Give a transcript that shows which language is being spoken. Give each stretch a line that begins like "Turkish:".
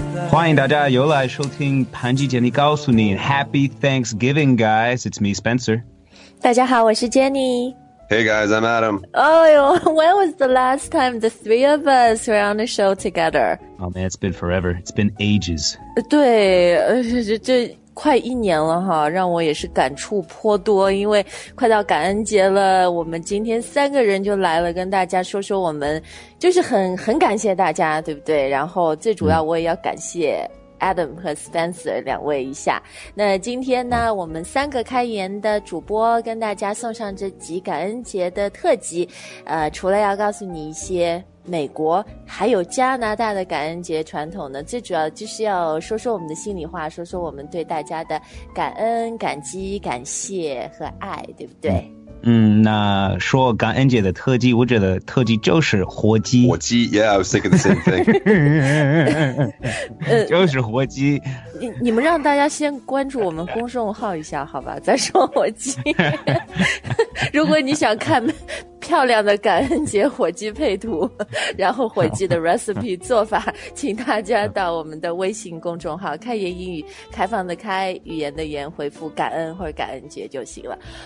Chinese: 欢迎大家又来收听潘基杰尼告诉你
English: Happy Thanksgiving, guys. It's me, Spencer.
Chinese: 大家好，我是 Jenny.
English: Hey, guys, I'm Adam. When was the last time the three of us were on the show together? Oh, man, it's been forever. It's been ages.
Chinese: 对，这快一年了哈，让我也是感触颇多，因为快到感恩节了，我们今天三个人就来了，跟大家说说我们，就是很感谢大家，对不对？然后最主要我也要感谢Adam 和 Spencer 两位一下。那今天呢，我们三个开言的主播跟大家送上这集感恩节的特辑，除了要告诉你一些美国还有加拿大的感恩节传统呢，最主要就是要说说我们的心里话，说说我们对大家的感恩、感激、感谢和爱，对不对？那说感恩节的特技，我觉得特技就是火鸡。
English: 火鸡 ，Yeah, I was thinking the same thing.
Chinese: 就是火鸡。你们让大家先关注我们公众号一下，好吧？再说火鸡。如果你想看漂亮的感恩节火鸡配图，然后火鸡的 recipe 做法，请大家到我们的微信公众号"开言英语"，开放的开，语言的言，回复感恩或者感恩节就行了。